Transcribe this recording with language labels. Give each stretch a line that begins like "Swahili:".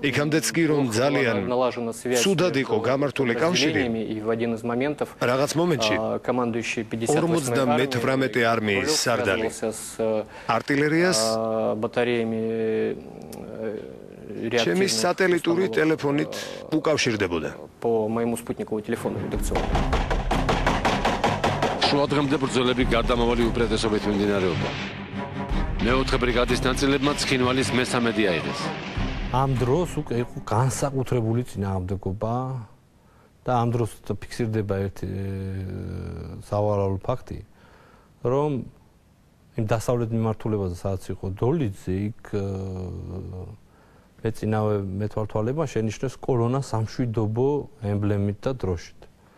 Georgian: იქამდეც კი რომ ძალიან სუდად იყო გამართული კავშირი. რაღაც მომენტში
Russian: командующий 58
Georgian: არმიის სარდალი артиллерияс
Russian: батареями
Georgian: ჩემი სატელიტური ტელეფონით უკავშირდებოდა.
Russian: По моему спутниковому телефону редакционному.
Georgian: შუადღემდე ბრძოლები გარდამავალი უპირატესობით მიმდინარეობდა. მეოთხე ბრიგადის ნაწილებმა ცხინვალის მესამედი აიღეს. ამ დროს უკვე იყო განსაკუთრებული წინააღმდეგობა და ამ დროს ფიქსირდება ერთი სავარაულო ფაქტი, რომ იმ დასავლეთ მიმართულებაზე, სადაც იყო დოლიძე, იქ მეწინავე მეთვალთვალებმა შენიშნეს კოლონა სამშვიდობო ემბლემით და დროშით.